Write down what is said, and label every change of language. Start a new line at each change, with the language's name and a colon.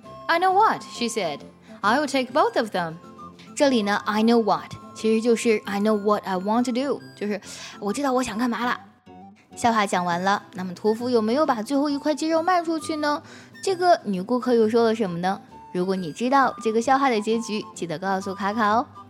English: I know what, she said. I will take both of them.
Chinese: 这里呢
English: I know what,
Chinese: 其实就是
English: I know what I want to do,
Chinese: 就是我知道我想干嘛了。笑话讲完了，那么屠夫有没有把最后一块鸡肉卖出去呢？这个女顾客又说了什么呢？如果你知道这个笑话的结局，记得告诉卡卡哦。